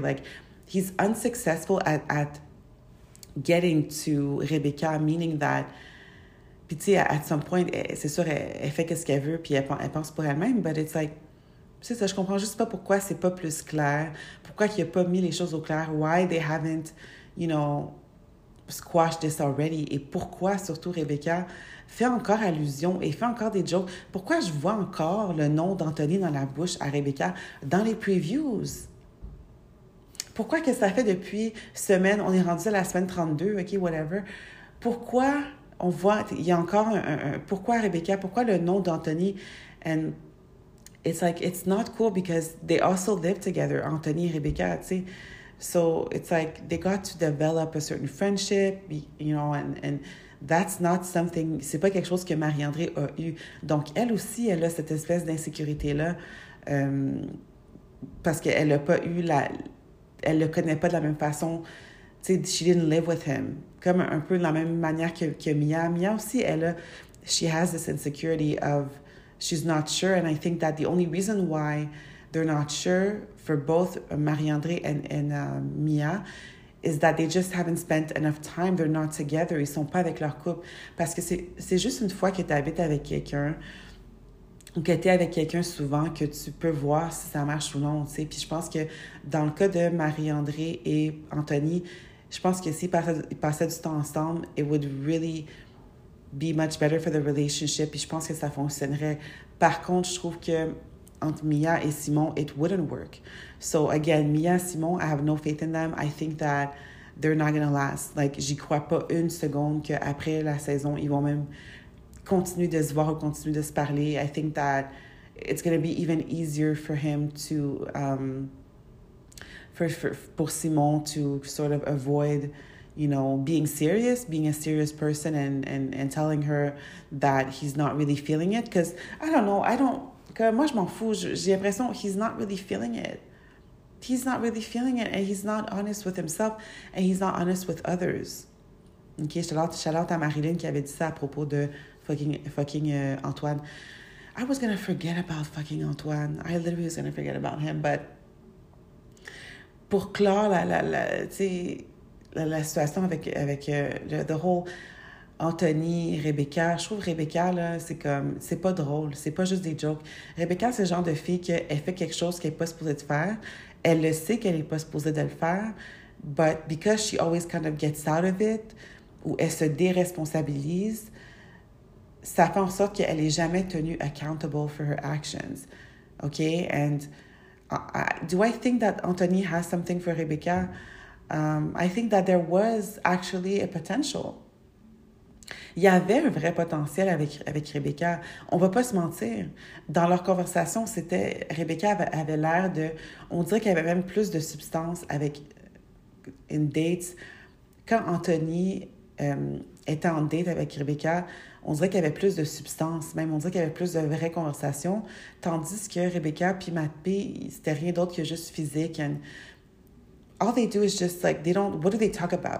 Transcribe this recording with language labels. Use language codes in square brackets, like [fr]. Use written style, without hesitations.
[en] Like, he's unsuccessful at getting to Rebecca, meaning that, [fr] puis tu sais, [en] at some point, [fr] c'est sûr, elle fait ce qu'elle veut, puis elle pense pour elle-même, [en] but it's like, [fr] tu sais, ça, je comprends juste pas pourquoi c'est pas plus clair, pourquoi qu'il a pas mis les choses au clair, [en] why they haven't, you know, squashed this already, [fr] et pourquoi, surtout, Rebecca fait encore allusion et fait encore des jokes, pourquoi je vois encore le nom d'Anthony dans la bouche à Rebecca dans les previews? Pourquoi que ça fait depuis semaine, on est rendu à la semaine 32, OK, whatever. Pourquoi on voit, il y a encore pourquoi Rebecca, pourquoi le nom d'Anthony? [en] And it's like, it's not cool because they also live together, Anthony et Rebecca, [fr] tu sais. [en] So it's like, they got to develop a certain friendship, you know, and that's not something, [fr] c'est pas quelque chose que Marie-André a eu. Donc, elle aussi, elle a cette espèce d'insécurité-là parce qu'elle a pas eu la... Elle le connaît pas de la même façon. Tu sais, [en] she didn't live with him. [fr] Comme un peu de la même manière que Mia. Mia aussi, elle a... [en] She has this insecurity of... She's not sure. And I think that the only reason why they're not sure for both Marie-André and Mia is that they just haven't spent enough time. They're not together. [fr] Ils sont pas avec leur couple. Parce que c'est juste une fois que t'habites avec quelqu'un ou que t'es avec quelqu'un souvent, que tu peux voir si ça marche ou non, tu sais. Puis je pense que dans le cas de Marie-André et Anthony, je pense que s'ils passaient du temps ensemble, [en] it would really be much better for the relationship. [fr] Puis je pense que ça fonctionnerait. Par contre, je trouve que entre Mia et Simon, [en] it wouldn't work. So again, Mia et Simon, I have no faith in them. I think that they're not gonna last. [fr] Like, j'y crois pas une seconde qu'après la saison, ils vont même continue de se voir ou continue de se parler. [en] I think that it's going to be even easier for him to, for Simon to sort of avoid, you know, being serious, being a serious person and telling her that he's not really feeling it. Because, I don't know, [fr] moi, je m'en fous. J'ai l'impression [en] he's not really feeling it. He's not really feeling it and he's not honest with himself and he's not honest with others. [fr] OK, shout out à Marilyn qui avait dit ça à propos de fucking Antoine. [en] I was gonna forget about fucking Antoine. I literally was gonna forget about him, but [fr] pour clore la situation avec [en] the whole [fr] Anthony, Rebecca, je trouve Rebecca, là, c'est comme, c'est pas drôle, c'est pas juste des jokes. Rebecca, c'est le genre de fille qu'elle fait quelque chose qu'elle n'est pas supposée de faire. Elle le sait qu'elle n'est pas supposée de le faire, [en] but because she always kind of gets out of it, [fr] ou elle se déresponsabilise, ça fait en sorte qu'elle n'est jamais tenue [en] accountable for her actions. [fr] OK? [en] And do I think that Anthony has something for Rebecca? I think that there was actually a potential. [fr] Il y avait un vrai potentiel avec Rebecca. On ne va pas se mentir. Dans leur conversation, c'était... Rebecca avait l'air de... On dirait qu'elle avait même plus de substance avec... in dates. Quand Anthony était en date avec Rebecca, on dirait qu'il y avait plus de substance, même on dirait qu'il y avait plus de vraies conversations, tandis que Rebecca puis Matt P, c'était rien d'autre que juste physique. [en] And all they do is just like, they don't, what do they talk about?